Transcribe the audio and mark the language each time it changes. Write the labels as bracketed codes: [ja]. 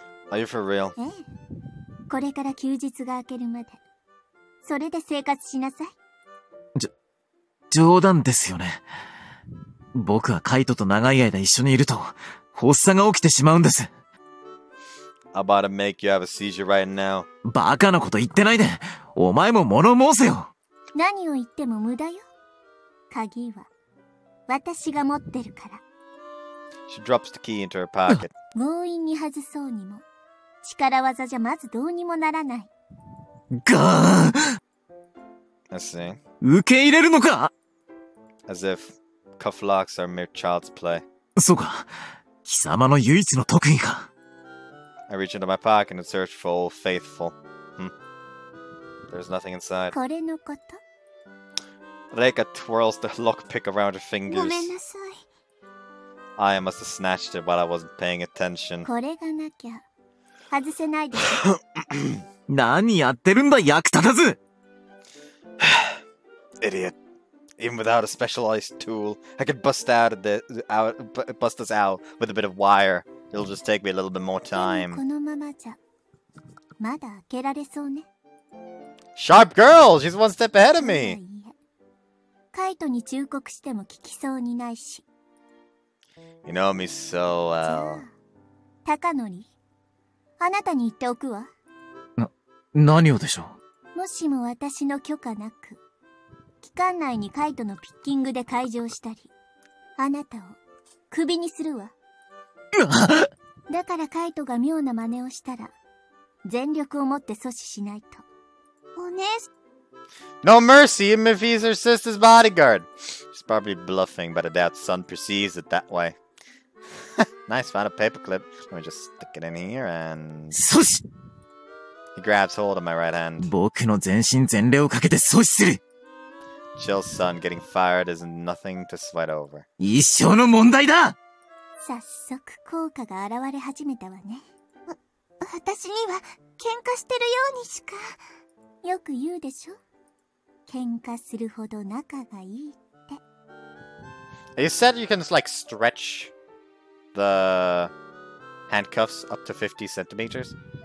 [en] Are you for real? [ja] ええ。これから休日が明けるまで、それで生活しなさい。冗談ですよね。僕はカイトと長い間一緒にいると、発作が起きてしまうんです。 [en] About to make you have a seizure right now. [ja] バカなこと言ってないで。お前も物申せよ。何を言っても無駄よ。鍵は私が持ってるから。 [en] She drops the key into her pocket. [ja] 強引に外そうにも、力技じゃまずどうにもならない。ガーン。 [en] I see. [ja] 受け入れるのか [en] ？As if cuff locks are mere child's play. [ja] そうか。貴様の唯一の特技か。 [en] I reach into my pocket and search for Old Faithful. There's nothing inside. [ja] これのこと? [en] Reika twirls the lockpick around her fingers. [ja] ごめんなさい。 [en] I must have snatched it while I wasn't paying attention. [ja] これがなきゃ外せないでしょ。何やってるんだ、役立たず! [en] Idiot. Even without a specialized tool, I could bust this out with a bit of wire. It'll just take me a little bit more time. [ja] このままじゃまだ開けられそうね。 [en] Sharp girl! She's one step ahead of me! [ja] カイトに忠告しても聞きそうにないし。 [en] You know me so well. [ja] じゃあ、高則、あなたに言っておくわ。何をでしょう? もしも私の許可なく、期間内にカイトのピッキングで会場したり。あなたをクビにするわ。だからカイトが妙な真似をしたら全力を持って阻止しないと。お姉さん。 [en] No mercy, even if he's her sister's bodyguard. She's probably bluffing, but I doubt Sun perceives it that way. Nice, found a paperclip. Let me just stick it in here and... Soshi! He grabs hold of my right hand. [ja] 僕の全身全霊をかけて阻止する! [en] Chill, Sun. Getting fired is nothing to sweat over. [ja] 一生の問題だ! 早速効果が現れ始めたわね。私には喧嘩してるようにしか。よく言うでしょ? 喧嘩するほど仲がいいって。 [en] You said you can like stretch the handcuffs up to 50 centimeters?